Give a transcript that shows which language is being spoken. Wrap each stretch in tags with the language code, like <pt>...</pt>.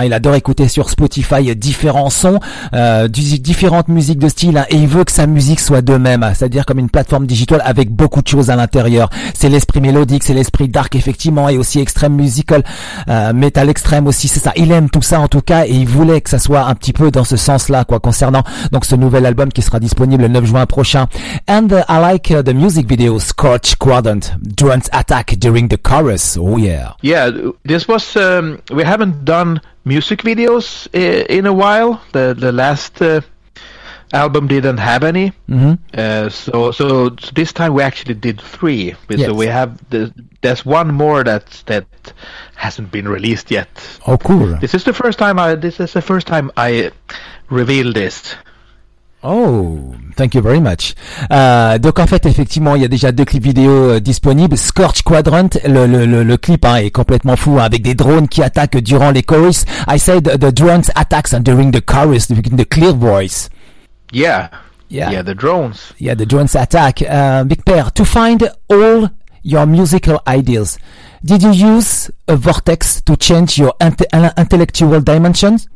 <fr>Il adore écouter sur Spotify différents sons, différentes musiques de style, et il veut que sa musique soit de même, c'est-à-dire comme une plateforme digitale avec beaucoup de choses à l'intérieur. C'est l'esprit mélodique, c'est l'esprit dark effectivement, et aussi extrême musical, metal extrême aussi, c'est ça. Il aime tout ça en tout cas, et il voulait que ça soit un petit peu dans ce sens-là, quoi, concernant donc ce nouvel album qui sera disponible le 9 juin prochain.</fr> <en>And I like the music video, Scorch Quadrant, drones attack during the chorus. Yeah, this was we haven't done music videos in a while. The last album didn't have any. Mm-hmm. So this time we actually did three. Yes. So we have there's one more that hasn't been released yet. Oh, cool. This is the first time I revealed this. Oh, thank you very much.</en> <fr>Donc en fait, effectivement, il y a déjà deux clips vidéo disponibles. Scorch Quadrant, le clip est complètement fou, avec des drones qui attaquent durant les chorus.</fr> <en>I said the drones attacks during the chorus, the clear voice. Yeah, the drones. Yeah, the drones attack. Big Pear, to find all your musical ideas, did you use a vortex to change your intellectual dimensions?</en>